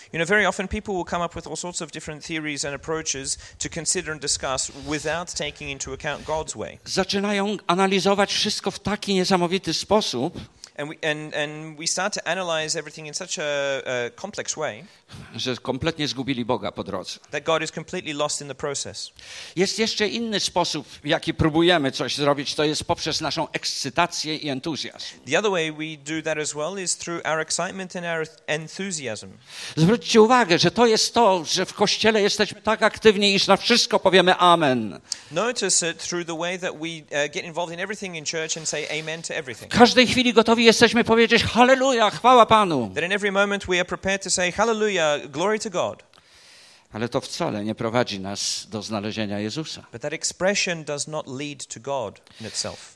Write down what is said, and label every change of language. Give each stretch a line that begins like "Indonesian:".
English: You know, very often people will come up with all sorts of different theories and approaches to consider and discuss without taking into account God's way.
Polish: Zaczynają analizować wszystko w taki niesamowity sposób.
English: And we start to analyze everything in such a complex way,
Polish: że kompletnie zgubili Boga po drodze.
English: That God is completely lost in the process.
Polish: Jest jeszcze inny sposób, w jaki próbujemy coś zrobić, to jest poprzez naszą ekscytację i entuzjazm.
English: The other way we do that as well is through our excitement and our enthusiasm.
Polish: Zwróćcie uwagę, że to jest to, że w Kościele jesteśmy tak aktywni, iż na wszystko powiemy amen.
English: Notice it through the way that we get involved in everything in church and say amen to everything.
Polish: W każdej chwili gotowi jesteśmy powiedzieć halleluja, chwała Panu.
English: That in every moment we are prepared to say hallelujah. Glory to God.
Polish: Ale to wcale nie prowadzi nas do znalezienia Jezusa.
English: But that expression does not lead to God in itself.